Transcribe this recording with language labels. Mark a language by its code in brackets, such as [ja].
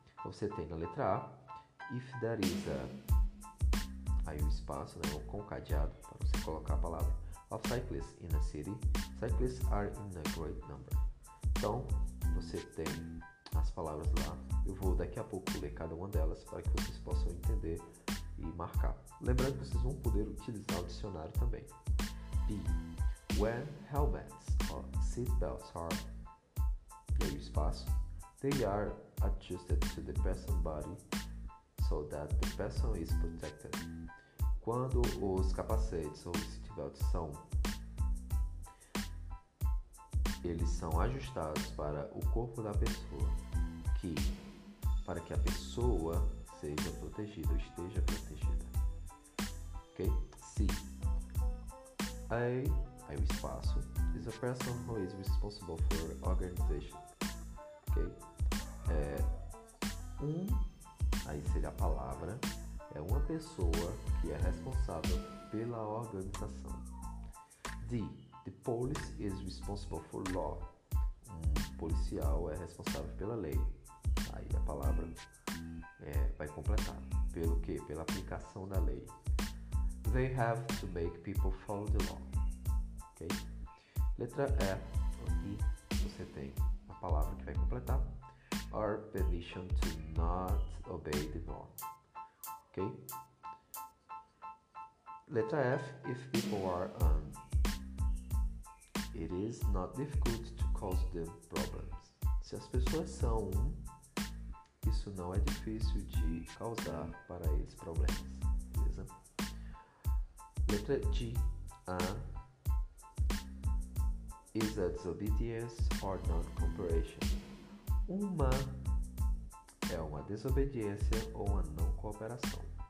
[pt] Então você tem na letra A, [en] if there is a, [pt] aí um espaço, né, um concadeado para você colocar a palavra, [en] of cyclists in a city, cyclists are in a great number. [pt] Então você tem as palavras lá, eu vou daqui a pouco ler cada uma delas para que vocês possam entender e marcar. Lembrando que vocês vão poder utilizar o dicionário também. [en] B, when helmets or seatbelts are, [pt] e aí o espaço, [en] they are adjusted to the person's body so that the person is protected. [pt] Quando os capacetes ou seatbelts são, eles são ajustados para o corpo da pessoa, que para que a pessoa seja protegida ou esteja protegida. [en] Ok? C. A, [pt] aí o espaço, [en] is a person who is responsible for organization. Ok? [pt] Aí seria a palavra, é uma pessoa que é responsável pela organização. D. [en] The police is responsible for law. [pt] Um policial é responsável pela lei. Aí a palavra vai completar. Pelo quê? Pela aplicação da lei. [en] They have to make people follow the law. [pt] Ok? Letra E. Aqui você tem a palavra que vai completar. [en] Or permission to not obey the law. Ok? [pt] Letra F. [en] If people are it is not difficult to cause them problems. [pt] Se as pessoas são isso não é difícil de causar para eles problemas. Beleza? Letra G. [en] Is a disobedience or non-cooperation? [pt] Uma é uma desobediência ou uma não-cooperação.